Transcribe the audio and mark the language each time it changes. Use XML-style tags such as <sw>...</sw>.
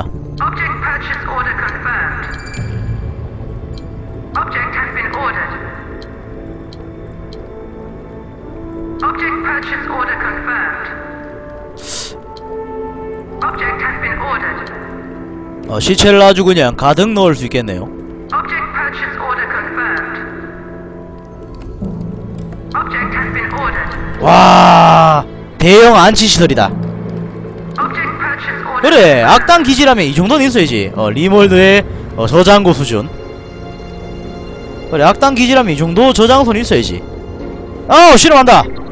<en>Object purchase order confirmed. Object has been ordered. Object purchase order confirmed. Object has been ordered.</en> <ko>어, 시체를 아주 그냥 가득 넣을 수 있겠네요.</ko> <en>Object purchase order confirmed. Object has been ordered.</en> <ko>와, 대형 안치시설이다.</ko> <en>Object purchase order.</en> <ko>그래, 악당 기지라면 이 정도는 있어야지. 어, 리몰드의 어, 저장고 수준. 그래, 악당 기지라면 이 정도 저장소는 있어야지. 어, 실험한다.</ko>